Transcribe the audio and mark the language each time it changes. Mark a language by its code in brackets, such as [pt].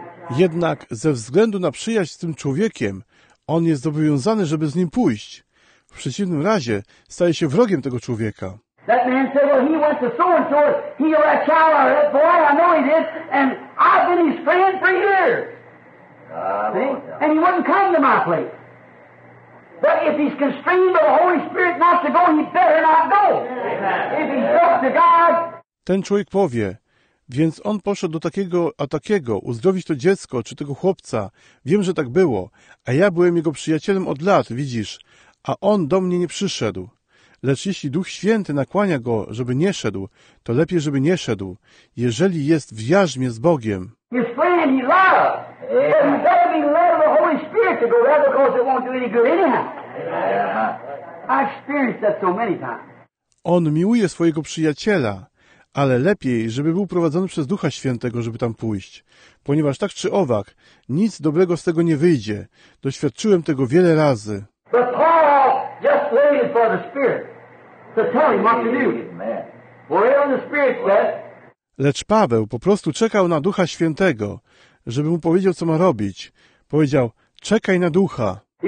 [pl] Jednak ze względu na przyjaźń z tym człowiekiem, on jest zobowiązany, żeby z nim pójść. W przeciwnym razie staje się wrogiem tego człowieka. [en] That man said, well, he went to so and so, he or that child or that boy, I know he did, and I've been his friend for years. And he wouldn't come to my place. But if he's constrained by the Holy Spirit not to go, he better not go. Amen. If he's up to God. [pl] Ten człowiek powie, więc on poszedł do takiego, a takiego, uzdrowić to dziecko czy tego chłopca. Wiem, że tak było, a ja byłem jego przyjacielem od lat, widzisz, a on do mnie nie przyszedł. Lecz jeśli Duch Święty nakłania go, żeby nie szedł, to lepiej, żeby nie szedł, jeżeli jest w jarzmie z Bogiem. [en] His friend, he loves. Yeah. It better be led of the Holy Spirit to go there because it won't do any good anyhow. Yeah. I experienced that so many times. [pl] On miłuje swojego przyjaciela, ale lepiej, żeby był prowadzony przez Ducha Świętego, żeby tam pójść. Ponieważ tak czy owak, nic dobrego z tego nie wyjdzie. Doświadczyłem tego wiele razy. [en] But Paul just waited for the Spirit to tell him what to do. Whatever the Spirit said. [pl] Lecz Paweł po prostu czekał na Ducha Świętego, żeby mu powiedział, co ma robić. Powiedział, czekaj na Ducha.